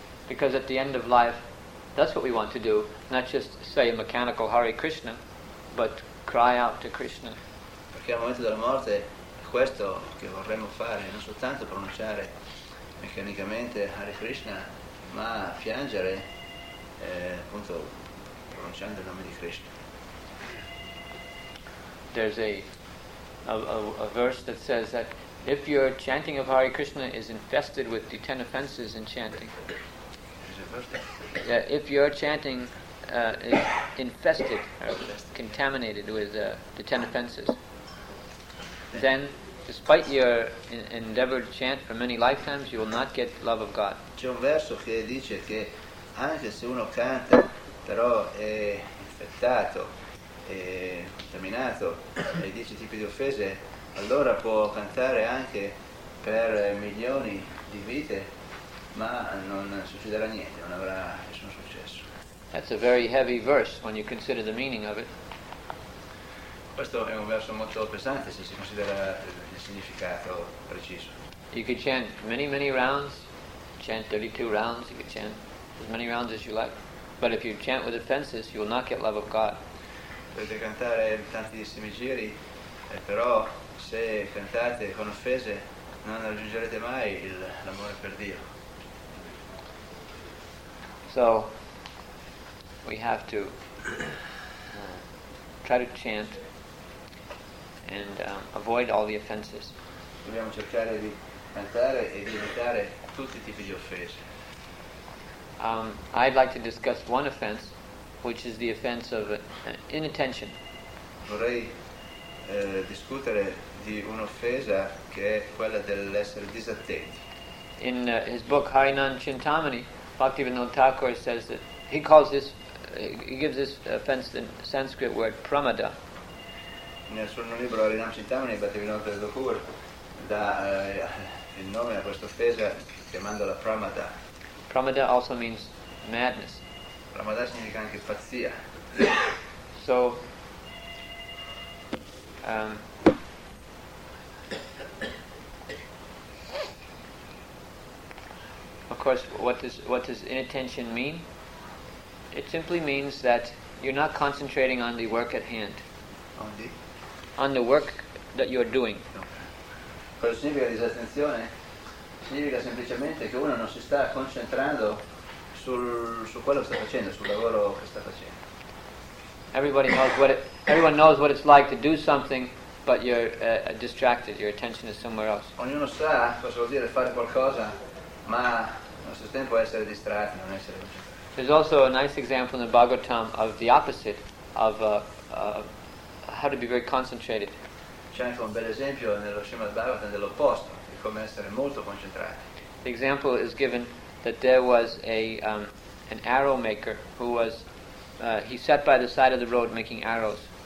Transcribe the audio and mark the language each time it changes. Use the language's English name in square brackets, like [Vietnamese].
[English] Because at the end of life, that's what we want to do, not just say a mechanical Hare Krishna, but cry out to Krishna. [Italian] Perché al momento della morte è questo che vorremmo fare, non soltanto pronunciare meccanicamente Hare Krishna, ma piangere appunto pronunciando il nome di Krishna. [English] There's a a verse that says that if your chanting of Hare Krishna is infested with the 10 offenses in chanting, yeah, if your chanting is infested or contaminated with the 10 offenses, then despite your endeavor to chant for many lifetimes, you will not get the love of God. [Italian] C'è un verso che dice che anche se uno canta, però è infettato, è contaminato, e 10 tipi di offese, allora può cantare anche per milioni di vite, ma non succederà niente, non avrà nessun successo. [English] That's a very heavy verse when you consider the meaning of it. [Italian] Questo è un verso molto pesante se si considera il significato preciso. [English] You could chant many, many rounds, chant 32 rounds, you could chant as many rounds as you like. But if you chant with offenses, you will not get love of God. [Italian] Potete cantare tantissimi giri, però se cantate con offese non raggiungerete mai l'amore per Dio. [English] So, we have to try to chant and avoid all the offenses. [Italian] Dobbiamo cercare di cantare e di evitare tutti i tipi di offese. [English] I'd like to discuss one offense, which is the offense of inattention. [Italian] Vorrei discutere di un'offesa che è quella dell'essere disattenti. [English] In his book Harinam Chintamani, Bhaktivinoda Thakur says that he calls this, he gives this offense the Sanskrit word pramada. [Italian] Nel suo libro Harinam Chintamani, Bhaktivinoda Thakur dà il nome a questa offesa chiamandola pramada. [English] Pramada also means madness. [Italian] Pramada significa anche pazzia. [English] So, of course, what does inattention mean? It simply means that you're not concentrating on the work at hand. On the work that you're doing. [Italian] Cosa significa disattenzione? Significa semplicemente che uno non si sta concentrando su quello che sta facendo, sul lavoro che sta facendo. [English] Everyone knows what it's like to do something, but you're distracted. Your attention is somewhere else. [Italian] Ognuno sa cosa vuol dire fare qualcosa, ma nel suo tempo essere distratti, non essere concentrati. [English] There's also a nice example in the Bhagavatam of the opposite of how to be very concentrated. [Italian] C'è anche un bel esempio nello Srimad Bhagavatam dell'opposto. Come essere molto concentrati. [English] The example is given that there was an arrow maker who was he sat by the side of the road making arrows.